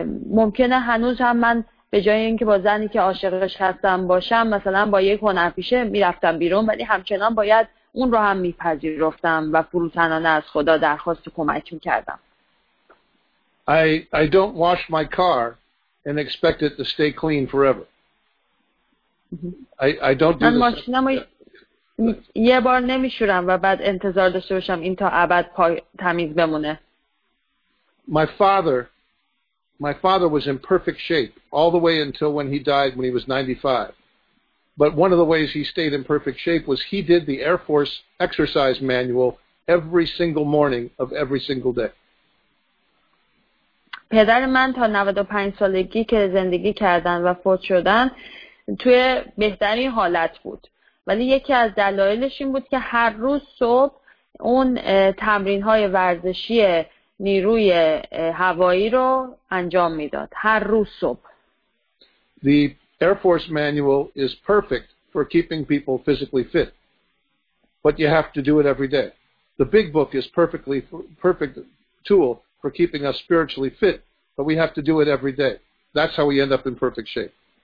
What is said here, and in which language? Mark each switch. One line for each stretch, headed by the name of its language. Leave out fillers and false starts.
Persian: ممکنه هنوز هم من به جای اینکه با زنی که عاشقش هستم باشم مثلا با یک هنرپیشه میرفتم بیرون، ولی همچنان باید اون رو هم میپذیرفتم و فروتنانه از خدا درخواست کمک میکردم.
English: I don't wash my car and expect it to stay clean forever. I don't do
Persian: من ماشینم یه بار نمیشورم و بعد انتظار داشته باشم این تا ابد تمیز بمونه.
English: My father was in perfect shape all the way until when he died when he was 95. But one of the ways he stayed in perfect shape was he did the Air Force exercise manual every single morning of every single day.
Persian: پدر من تا 95 سالگی که زندگی کردن و فوت شدن توی بهترین حالت بود. ولی یکی از دلایلش این بود که هر روز صبح اون تمرین‌های ورزشی نیروی هوایی رو انجام میداد هر روز صبح.
English: the Air Force manual is perfect for keeping people physically fit, but you have to do it every day. The big book is perfect tool for keeping us spiritually fit, but we have to do it every day. That's how we end up in perfect shape.